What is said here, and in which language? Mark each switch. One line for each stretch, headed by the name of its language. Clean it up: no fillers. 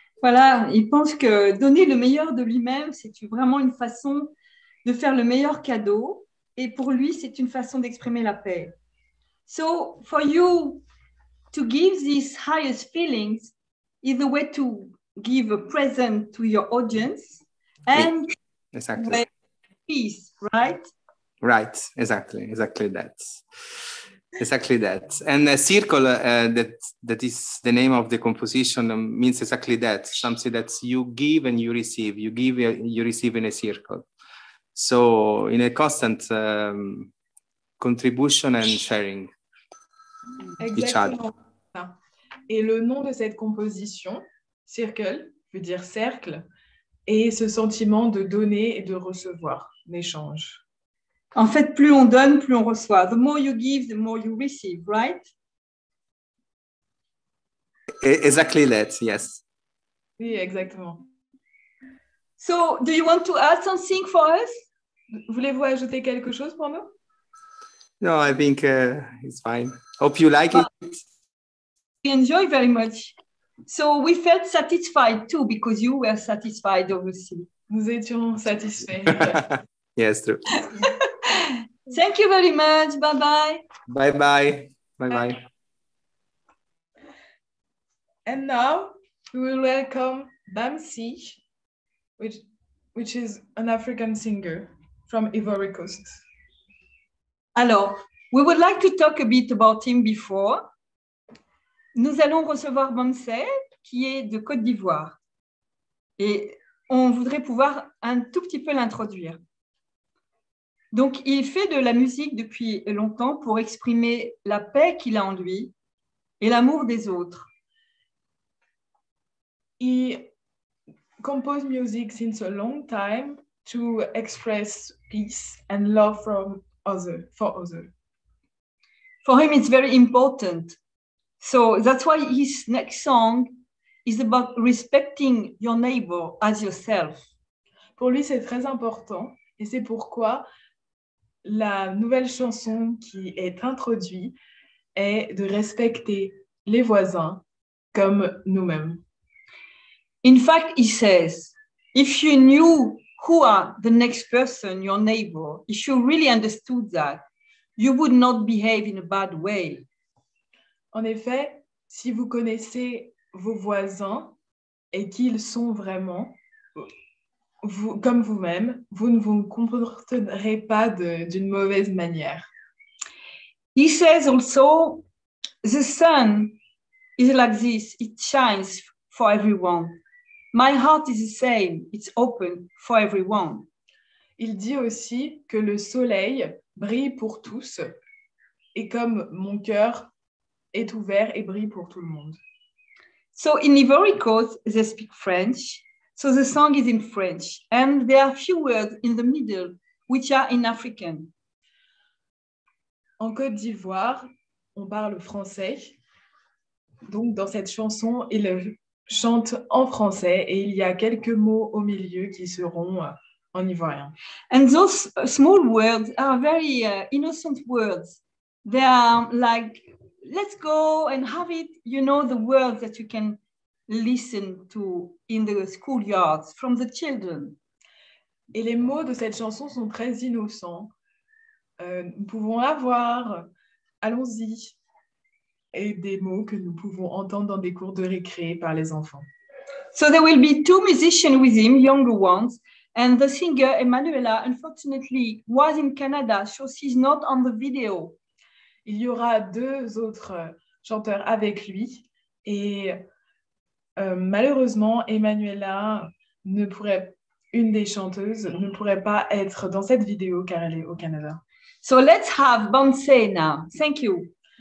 French: Voilà, il pense que donner le meilleur de lui-même, c'est vraiment une façon de faire le meilleur cadeau. Et pour lui, c'est une façon d'exprimer la paix.
English: So, for you, to give these highest feelings is a way to give a present to your audience and exactly. Peace, right? Right, exactly that. Exactly that. And a circle, that is the name of the composition, means exactly that. Something that you give and you receive. You give, you receive in a circle. So in a constant contribution and sharing
French: exactement
English: each other.
French: Ça.
English: Et le nom de cette composition, circle, veut dire cercle, et ce sentiment de donner et de recevoir, l'échange. En fait, plus on donne, plus on reçoit. The more you give, the more you receive, right? Exactly that, yes.
French: Oui, exactement.
English: So, do you want to add something for us?
French: Voulez-vous ajouter quelque chose pour nous?
English: No, I think it's fine. Hope you like it. We enjoy very much. So we felt satisfied too because you were satisfied, obviously.
French: Nous étions satisfaits.
English: Yes, true. Thank you very much. Bye-bye. Bye-bye. Bye-bye. And now we will welcome Bamsey, which is an African singer from Ivory Coast. Hello. We would like to talk a bit about him before.
French: Nous allons recevoir Bamsey, qui est de Côte d'Ivoire. Et on voudrait pouvoir un tout petit peu l'introduire. Donc, il fait de la musique depuis longtemps pour exprimer la paix qu'il a en lui et l'amour des autres.
English: He composed music since a long time to express peace and love for others. For him, it's very important. So that's why his next song is about respecting your neighbor as yourself.
French: Pour lui, c'est très important et c'est pourquoi la nouvelle chanson qui est introduite est de respecter les voisins comme nous-mêmes.
English: In fact, he says, if you knew who are the next person, your neighbor, if you really understood that, you would not behave in a bad way.
French: En effet, si vous connaissez vos voisins et qu'ils sont vraiment vous, comme vous-même, vous ne vous comporterez pas d'une mauvaise manière.
English: He says also, the sun is like this, it shines for everyone. My heart is the same, it's open for everyone.
French: Il dit aussi que le soleil brille pour tous et comme mon cœur est ouvert et brille pour tout le monde.
English: So in Ivory Coast, they speak French, so the song is in French, and there are a few words in the middle which are in African.
French: En Côte d'Ivoire, on parle français. Donc dans cette chanson, il chante en français et il y a quelques mots au milieu qui seront en ivoirien.
English: And those small words are very innocent words. They are like, let's go and have it. You know, the words that you can listen to in the schoolyards from the children.
French: Et les mots de cette chanson sont très innocents. Nous pouvons l'avoir, allons-y. Et des mots que nous pouvons entendre dans des cours de récré par les enfants.
English: So there will be two musicians with him, younger ones, and the singer Emanuela, unfortunately, was in Canada, so she's not on the video.
French: Il y aura deux autres chanteurs avec lui, et malheureusement, Emanuela ne pourrait pas. Une des chanteuses ne pourrait pas être dans cette vidéo car elle est au Canada.
English: So let's have Bamsey now. Thank you.